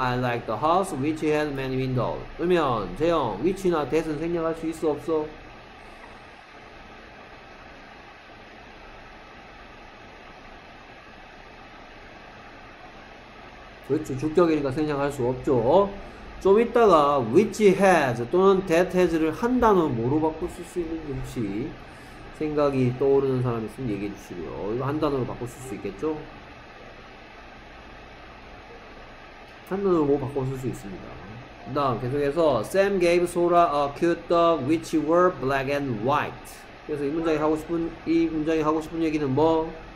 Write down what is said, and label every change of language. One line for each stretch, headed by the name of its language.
English: I like the house which has many windows.
Korean: 그러면 재영 위치나 대서 생략할 수 있어 없어? 그렇죠. 주격이니까 생략할 수 없죠. 좀 이따가 which has 또는 that has를 한 단어 뭐로 바꿀 수 있는지 혹시 생각이 떠오르는 사람 있으면 얘기해 주시고요. 이거 한 단어로 바꿀 수 있겠죠? 한 단어로 뭐 바꿀 수 있습니다. 그 다음 계속해서
English: Sam gave Sora a cute dog which were black and white.
Korean: 그래서 이 문장이 하고 싶은 얘기는 뭐?